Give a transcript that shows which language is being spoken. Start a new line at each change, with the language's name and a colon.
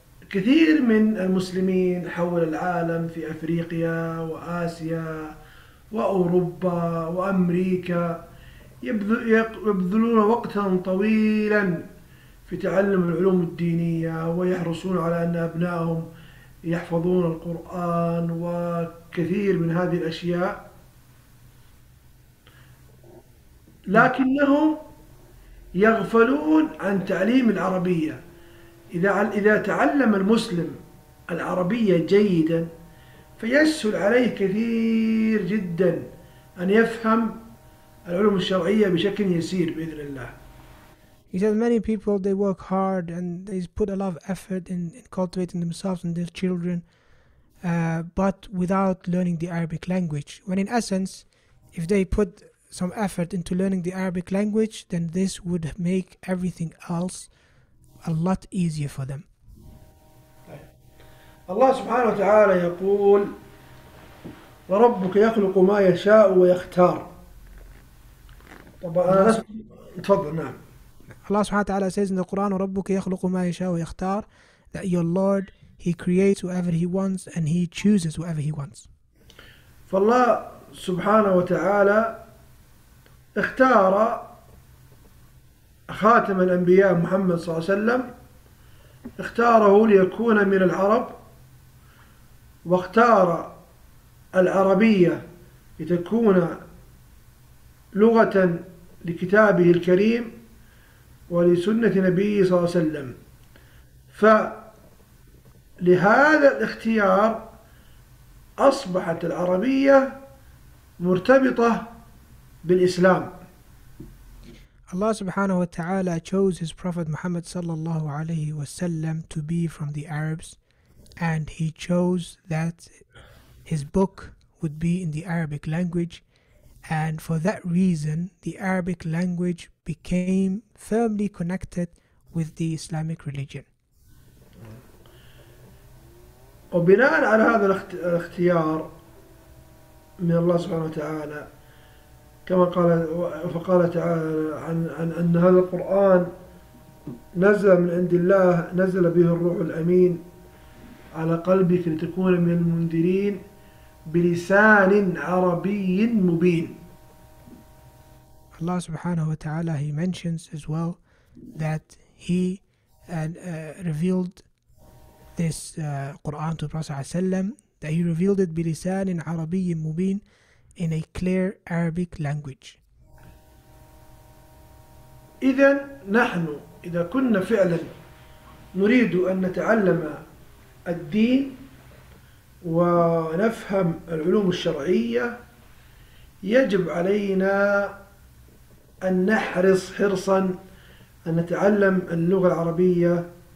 Arabic: كثير من المسلمين حول العالم في أفريقيا وآسيا وأوروبا وأمريكا يبذلون وقتا طويلا في تعلم العلوم الدينية ويحرصون على أن أبنائهم يحفظون القرآن وكثير من هذه الأشياء لكنهم يغفلون عن تعليم العربية. إذا تعلم المسلم العربية جيدا فيسهل عليه كثير جدا أن يفهم العلوم الشرعية بشكل يسير بإذن الله.
English: He said many people, they work hard and they put a lot of effort in cultivating themselves and their children, but without learning the Arabic language. When in essence, if they put some effort into learning the Arabic language, then this would make everything else a lot easier for them.
Arabic: Allah subhanahu wa ta'ala يقول وربك يخلق ما يشاء ويختار. طبعا تفضل نعم.
English: Allah subhanahu wa ta'ala says in the Quran,
Arabic: وَرَبُّكَ يَخْلُقُ مَا يَشَاءُ وَيَخْتَارُ,
English: that your Lord, He creates whatever He wants and He chooses whatever He wants.
Arabic: فالله سبحانه وتعالى اختار خاتم الأنبياء محمد صلى الله عليه وسلم, اختاره ليكون من العرب, واختار العربية لتكون لغة لكتابه الكريم ولسنة نبيه صلى الله عليه وسلم. فلهذا الاختيار أصبحت العربية مرتبطة بالإسلام.
English: Allah subhanahu wa ta'ala chose His Prophet Muhammad sallallahu alayhi wa sallam to be from the Arabs, and He chose that His book would be in the Arabic language. And for that reason, the Arabic language became firmly connected with the Islamic religion.
Arabic: وبناء على هذا الاختيار من الله سبحانه وتعالى كما قال فقال تعالى عن أن هذا القرآن نزل من عند الله, نزل به الروح الأمين على قلبك لتكون من المنذرين بلسان عربي مبين.
English: Allah subhanahu wa ta'ala, He mentions as well that He revealed this Quran to Prophet sallam, that He revealed it
Arabic: bilisan in Arabi mubin,
English: in a clear Arabic language.
Arabic: إذن نحن إذا كنا فعلا نريد أن نتعلم الدين ونفهم العلوم الشرعية يجب علينا أن نحرص حرصا أن نتعلم اللغة العربية